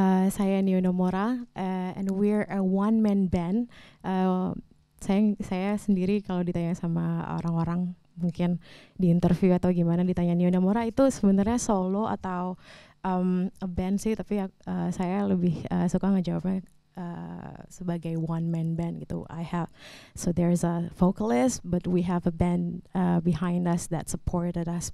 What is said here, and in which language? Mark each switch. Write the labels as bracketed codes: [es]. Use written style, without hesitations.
[id] Saya [en] Neonomora, and we're a one-man band. [id] Saya sendiri kalau ditanya sama orang-orang mungkin di interview atau gimana ditanya Neonomora itu sebenarnya solo atau a band sih, tapi saya lebih suka ngejawabnya sebagai one-man band gitu. [en] So there's a vocalist, but we have a band behind us that supported us.